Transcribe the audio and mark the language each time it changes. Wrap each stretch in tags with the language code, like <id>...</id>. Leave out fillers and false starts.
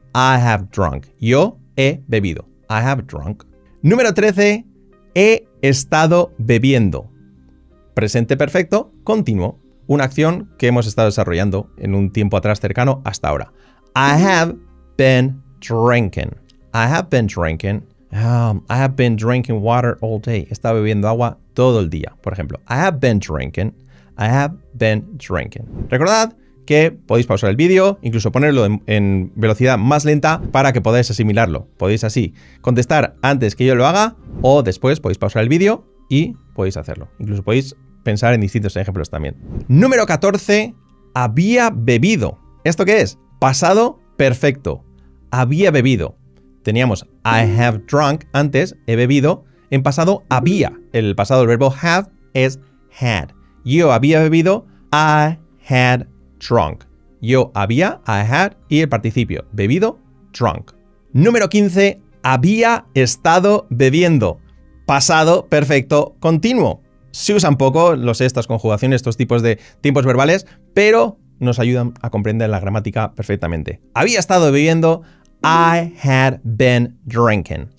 <en>I have drunk.</en> <es>Yo he bebido.</es> <en>I have drunk.</en> <es>Número 13. He estado bebiendo. Presente perfecto. Continuo. Una acción que hemos estado desarrollando en un tiempo atrás cercano hasta ahora.</es> <en>I have been drinking. I have been drinking. I have been drinking water all day.</en> <es>He estado bebiendo agua todo el día. Por ejemplo,</es> <en>I have been drinking. I have been drinking.</en> <es>Recordad que podéis pausar el vídeo, incluso ponerlo en velocidad más lenta para que podáis asimilarlo. Podéis así contestar antes que yo lo haga o después podéis pausar el vídeo y podéis hacerlo. Incluso podéis pensar en distintos ejemplos también. Número 14. Había bebido. ¿Esto qué es? Pasado perfecto. Había bebido. Teníamos</es> <en>I have drunk</en> <es>antes, he bebido. En pasado, había. El pasado del verbo have es had. Yo había bebido.</es> <en>I had drunk.</en> <es>Yo había,</es> <en>I had,</en> <es>y el participio, bebido, drunk. Número 15, había estado bebiendo. Pasado, perfecto, continuo. Se usan poco, lo sé, estas conjugaciones, estos tipos de tiempos verbales, pero nos ayudan a comprender la gramática perfectamente. Había estado bebiendo,</es> <en>I had been drinking.</en>